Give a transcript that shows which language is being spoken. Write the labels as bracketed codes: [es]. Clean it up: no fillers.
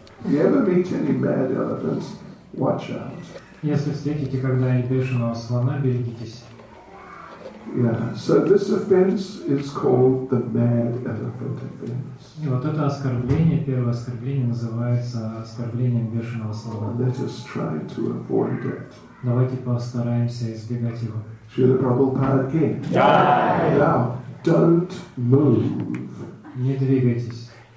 [en] If you ever meet any mad elephants, watch out. [ru] Если встретите когда-нибудь бешеного слона, берегитесь. [en] Yeah. So this offense is called the mad elephant offense. [ru] И вот это оскорбление, первое оскорбление называется оскорблением бешеного слона. [en] Let us try to avoid it. [ru] Давайте постараемся избегать его. [en] Srila Prabhupada again. Jai! Now, don't move. [ru] Не двигайтесь.